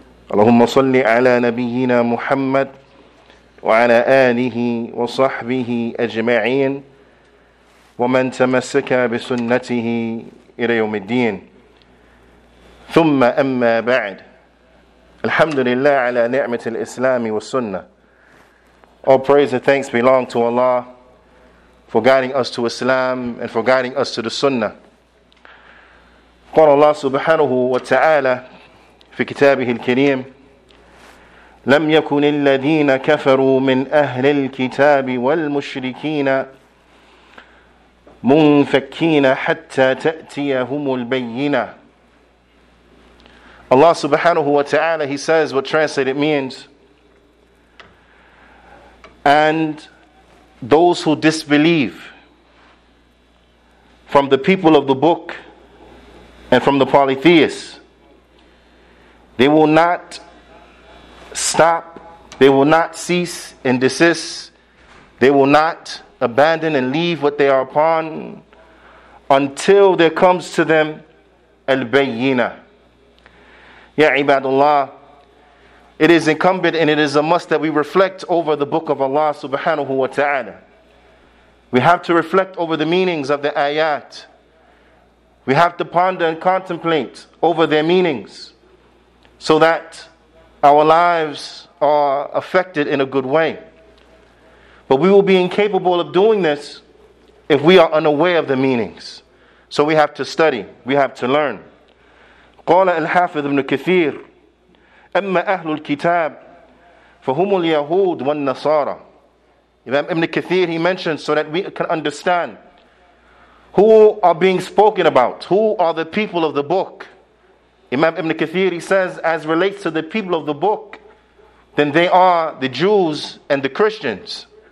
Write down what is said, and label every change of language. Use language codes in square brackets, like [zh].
[ar] Allahumma salli ala nabiyyina muhammad, وعلى آله وصحبه أجمعين ومن تمسك بسنته إلى يوم الدين ثم أما بعد الحمد لله على نعمة الإسلام والسنة. [en] All praise and thanks belong to Allah for guiding us to Islam and for guiding us to the Sunnah. [ar] قال الله سبحانه وتعالى في كتابه الكريم لم يكن الذين كفروا من أهل الكتاب والمشركين منفكين حتى تأتيهم البينة. [en] Allah subhanahu wa ta'ala, he says what translated means, and those who disbelieve from the people of the book and from the polytheists, they will not stop, they will not cease and desist, they will not abandon and leave what they are upon until there comes to them al-bayyinah. Ya ibadullah, it is incumbent and it is a must that we reflect over the book of Allah subhanahu wa ta'ala. We have to reflect over the meanings of the ayat. We have to ponder and contemplate over their meanings so that our lives are affected in a good way. But we will be incapable of doing this if we are unaware of the meanings. So we have to study, we have to learn. [ar] قال الحافظ ابن كثير أما أهل الكتاب فهم اليهود والنصارى. [en] Imam Ibn Kathir, he mentions so that we can understand who are being spoken about, who are the people of the book. Imam Ibn Kathir, he says, as relates to the people of the book, then they are the Jews and the Christians.